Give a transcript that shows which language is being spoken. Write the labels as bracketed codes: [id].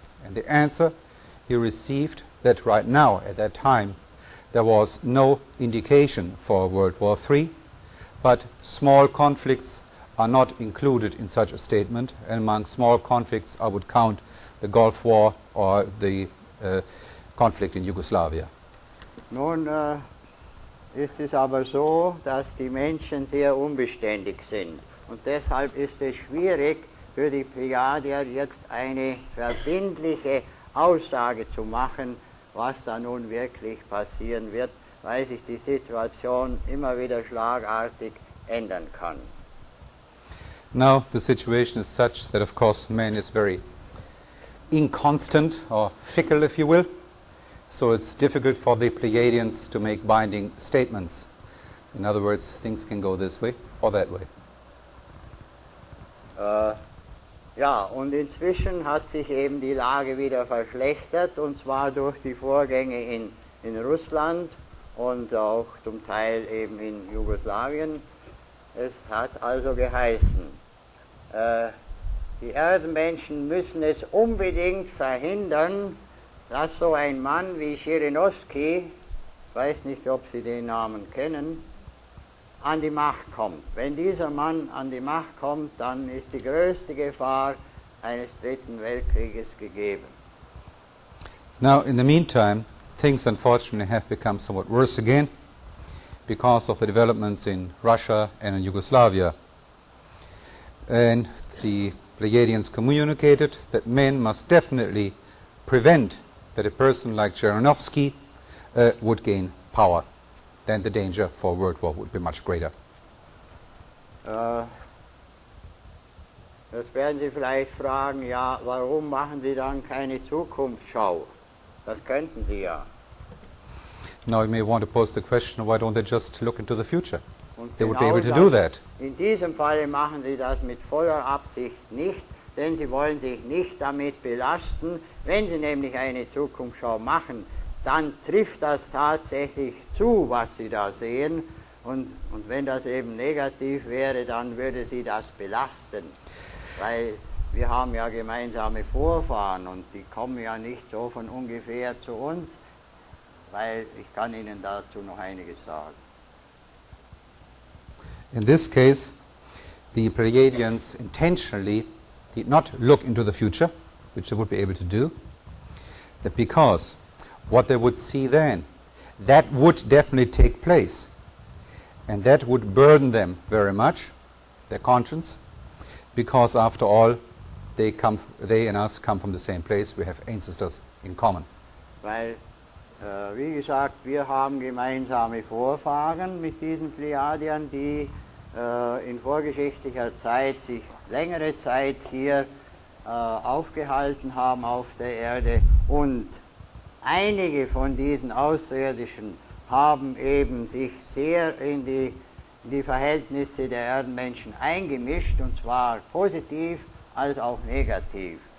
[en] And the answer he received that right now, at that time, there was no indication for World War III, but small conflicts are not included in such a statement, and among small conflicts I would count the Gulf War or the conflict in Yugoslavia. [de] Nun, ist es aber so, dass die Menschen sehr unbeständig sind. Und deshalb ist es schwierig für die Brigadier jetzt eine verbindliche Aussage zu machen, was da nun wirklich passieren wird, weil sich die Situation immer wieder schlagartig ändern kann. [en] Now the situation is such that of course man is very inconstant or fickle, if you will. So it's difficult for the Pleiadians to make binding statements. In other words, things can go this way or that way. [de] Ja, und inzwischen hat sich eben die Lage wieder verschlechtert, und zwar durch die Vorgänge in Russland und auch zum Teil eben in Jugoslawien. Es hat also geheißen, die Erdenmenschen müssen es unbedingt verhindern, dass so ein Mann wie Schirinowski, weiß nicht, ob Sie den Namen kennen, an die Macht kommt. Wenn dieser Mann an die Macht kommt, dann ist die größte Gefahr eines Dritten Weltkrieges gegeben. [en] Now, in the meantime, things unfortunately have become somewhat worse again because of the developments in Russia and in Yugoslavia. And the Pleiadians communicated that men must definitely prevent that a person like Chernovsky would gain power. Then the danger for World War would be much greater. [de] Das werden Sie vielleicht fragen, ja, warum machen Sie dann keine Zukunftsschau? Das könnten Sie ja. [en] Now you may want to pose the question, why don't they just look into the future? Und they would be able to do that. [de] In diesem Falle machen Sie das mit voller Absicht nicht, denn Sie wollen sich nicht damit belasten. Wenn Sie nämlich eine Zukunftsschau machen, dann trifft das tatsächlich zu, was Sie da sehen. Und wenn das eben negativ wäre, dann würde Sie das belasten. Weil wir haben ja gemeinsame Vorfahren und die kommen ja nicht so von ungefähr zu uns. Weil ich kann Ihnen dazu noch einiges sagen. [en] In this case, the Pleiadians intentionally did not look into the future, which they would be able to do, that because what they would see then, that would definitely take place, and that would burden them very much, their conscience, because after all, they and us come from the same place, we have ancestors in common. [de] Weil, wie gesagt, wir haben gemeinsame Vorfahren mit diesen Pleiadiern, die in vorgeschichtlicher Zeit sich längere Zeit hier aufgehalten haben auf der Erde, und einige von diesen Außerirdischen haben eben sich sehr in die Verhältnisse der Erdenmenschen eingemischt, und zwar positiv als auch negativ.